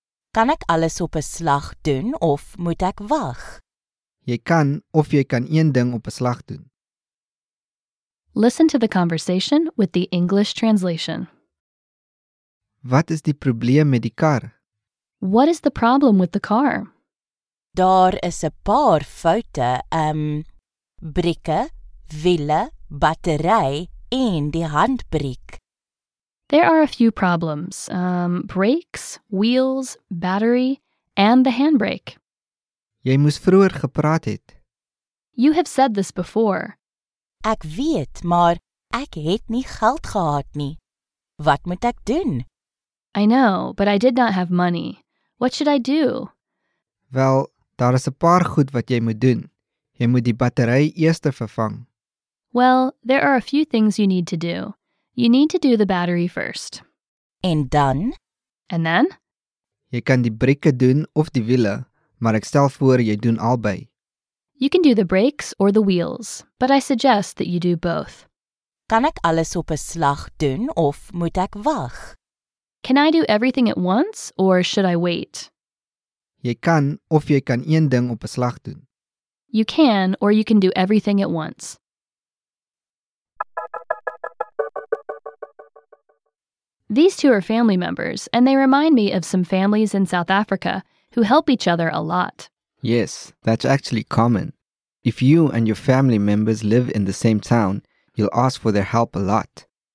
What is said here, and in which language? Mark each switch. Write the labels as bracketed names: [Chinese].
[Afrikaans] Kan ek alles op 'n slag doen of moet ek wag? Jy kan een ding op 'n slag doen. [English] Listen to the conversation with the English translation. [Afrikaans] Wat is die probleem met die kar? [English] What is the problem with the car? [Afrikaans] Daar is 'n paar foute, brieke, wiele, battery en die handbriek. [English] There are a few problems. Brakes, wheels, battery, and the handbrake. [Afrikaans] Jy moes vroeër gepraat het. [English] You have said this before. [Afrikaans] Ek weet, maar ek het nie geld gehad nie. Wat moet ek doen? [English] I know, but I did not have money. What should I do? [Afrikaans] Wel, daar is 'n paar goed wat jy moet doen. Jy moet die battery eers vervang. [English] Well, there are a few things you need to do. You need to do the battery first. And then? And then? [Afrikaans] Jy kan die brieke doen of die wiele, maar ek stel voor jy doen albei. [English] You can do the brakes or the wheels, but I suggest that you do both. [Afrikaans] Kan ek alles op 'n slag doen of moet ek wag? [English] Can I do everything at once or should I wait? [Afrikaans] Jy kan een ding op 'n slag doen. [English] You can or you can do everything at once. These two are family members, and they remind me of some families in South Africa who help each other a lot. Yes, that's actually common. If you and your family members live in the same town, you'll ask for their help a lot.